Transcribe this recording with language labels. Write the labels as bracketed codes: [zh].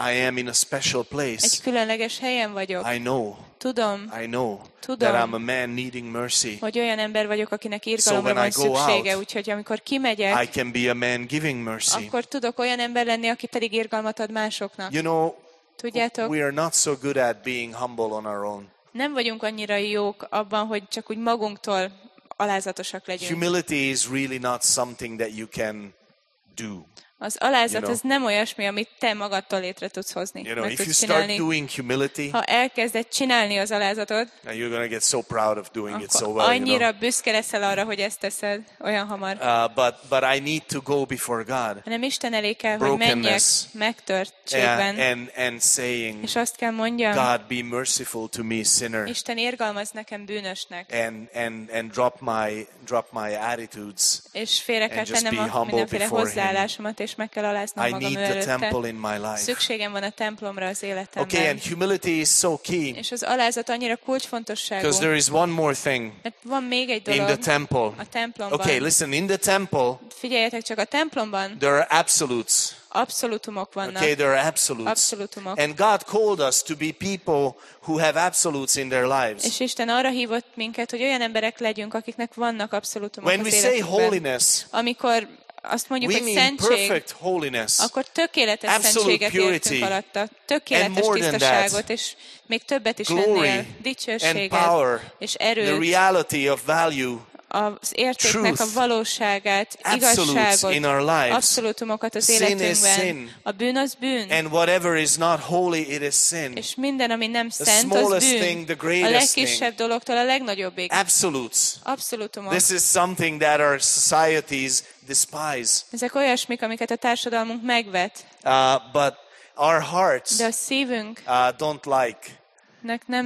[en] I am in a special place. [hu] Egy különleges helyen vagyok. [en] I know. [hu] Tudom. [en] I know. [hu] Tudom, [en] that I'm a man needing mercy. [hu] Hogy olyan ember vagyok, akinek irgalomra van szüksége, úgyhogy amikor kimegyek, [en] I can be a man giving mercy. [hu] Akkor tudok olyan ember lenni, aki pedig irgalmat ad másoknak. [en] You know, [hu] tudjátok, [en] we are not so good at being humble on our own. [hu] Nem vagyunk annyira jók abban, hogy csak úgy magunktól alázatosak legyünk. [en] Humility is really not something that you can do. [hu] Az alázat az nem olyasmi, amit te magadtól létre tudsz hozni. [en] You know, if you start doing humility, [hu] ha elkezded csinálni az alázatot, [en] and you're gonna get so proud of doing it so well, [hu] annyira [en] you know? [hu] Büszke leszel arra, hogy ezt teszed olyan hamar. [en] But I need to go before God. [hu] Hanem Isten elé kell, hogy menjek megtörtségben. [en] And saying, [hu] és azt kell mondjam, [en] God be merciful to me, sinner. [hu] Isten irgalmaz nekem bűnösnek. [en] And drop my attitudes. [hu] És félre kell tennem a mindenféle hozzáállásomat. És meg kell aláznom [en] I [hu] magam [en] need the temple in my life. [hu] Szükségem van a templomra az életemben. [en] Okay, and humility is so key. [hu] És az alázat annyira kulcsfontosságú. [en] Because there is one more thing. [hu] Mert van még egy dolog. [en] In the temple. [hu] A templomban. [en] Okay, listen, in the temple. [hu] Figyeljetek csak, a templomban. [en] There are absolutes. [hu] Abszolútumok vannak. [en] Okay, there are absolutes. [hu] Abszolútumok. [en] And God called us to be people who have absolutes in their lives. [hu] És Isten arra hívott minket, hogy olyan emberek legyünk, akiknek vannak abszolútumok. [en] When [hu] az [en] we [hu] életükben. [en] Say holiness. [hu] Amikor azt mondjuk, [en] we [hu] hogy szentség, [en] perfect holiness, [hu] akkor tökéletes szentséget [en] purity, [hu] értünk alatta, tökéletes tisztaságot, és még többet is [en] glory, [hu] ennél, dicsőséget [en] and power, [hu] és erőt, [en] the reality of value, [hu] az értéknek a valóságát, igazságot, abszolútumokat az életünkben. A bűn az bűn. [en] And whatever is not holy, it is sin. [hu] És minden, ami nem szent, [en] the smallest [hu] az bűn. [en] Thing, the greatest [hu] a legkisebb dologtól a legnagyobbig. [en] Absolutes. [hu] Abszolútumok. [en] This is something that our societies despise. [hu] Ezek olyasmik, amiket a társadalmunk megvet. [en] But our hearts, [hu] de a szívünk [en] don't like [hu] nem